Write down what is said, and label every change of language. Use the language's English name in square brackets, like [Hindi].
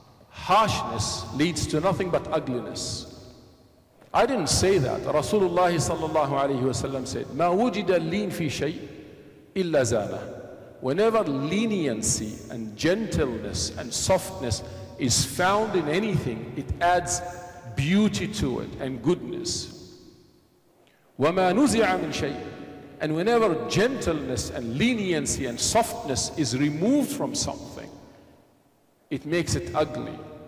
[English] Harshness leads to nothing but ugliness. I didn't say that. Rasulullah sallallahu alayhi wa sallam said, [Arabic] مَا وُجِدَ اللِّينَ فِي شَيْءٍ إِلَّا زَانَهُ. [English] Whenever leniency and gentleness and softness is found in anything, it adds beauty to it and goodness. [Arabic] وَمَا نُزِعَ مِنْ شَيْءٍ. [English] And whenever gentleness and leniency and softness is removed from something, it makes it ugly.